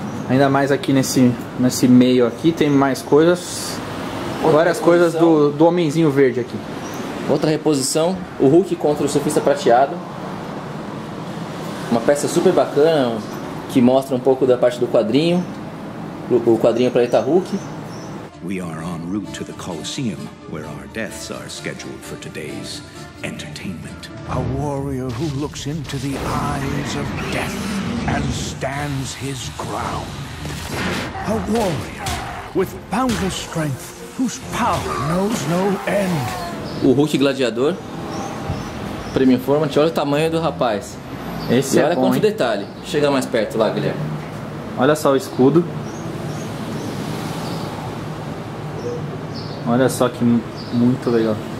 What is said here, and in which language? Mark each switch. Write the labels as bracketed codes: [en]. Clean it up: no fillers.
[pt] Ainda mais aqui nesse meio aqui tem mais coisas. Outra várias coisas do homenzinho verde aqui. Outra reposição, o Hulk contra o Surfista Prateado. Uma peça super bacana, que mostra um pouco da parte do quadrinho. O quadrinho Planeta Hulk. [en] We are en route to the Colosseum, where our deaths are scheduled for today's entertainment. A warrior who looks into the eyes of death and stands his ground. A warrior with boundless strength, whose power knows no end. [pt] O Hulk Gladiador, Premium Format, olha o tamanho do rapaz. Esse e olha é bom, quanto hein? Detalhe. Chega mais perto lá, Guilherme. Olha só o escudo. Olha só que muito legal.